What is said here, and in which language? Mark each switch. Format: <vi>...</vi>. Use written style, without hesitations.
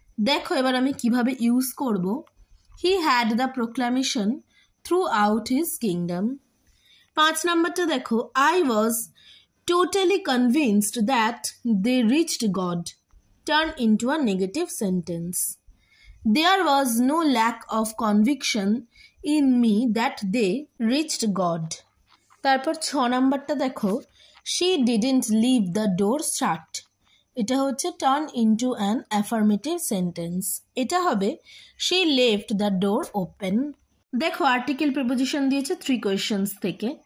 <bn>দেখো এবার আমি কিভাবে ইউজ করব।</bn> <en>He had the proclamation throughout his kingdom.</en> <bn>পাঁচ নম্বরটা দেখো,</bn> <en>I was totally convinced that they reached God, turn into a negative sentence. There was no lack of conviction in me that they reached God.</en> <bn>তারপর ছ নম্বরটা দেখো,</bn> <en>She didn't leave the door shut.</en> <bn>এটা হচ্ছে</bn> <en>turn into an affirmative sentence.</en> <bn>এটা হবে,</bn> <en>She left the door open.</en> <bn>দেখো article preposition দিয়েছে থ্রি কোয়েশ্চনস থেকে।</bn>